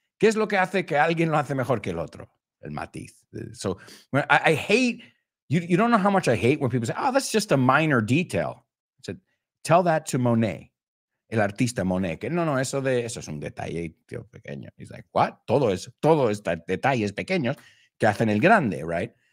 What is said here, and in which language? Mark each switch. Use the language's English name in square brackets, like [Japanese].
[Spanish] ¿Qué es lo que hace que alguien lo hace mejor que el otro? El matiz. [English] So I hate, you don't know how much I hate when people say, oh, that's just a minor detail. I said, tell that to Monet. [Spanish] El artista Monet, que no, eso es un detalle, tío, pequeño. [English] He's like, what? [Spanish] Todo es detalles pequeños que hacen el grande, right?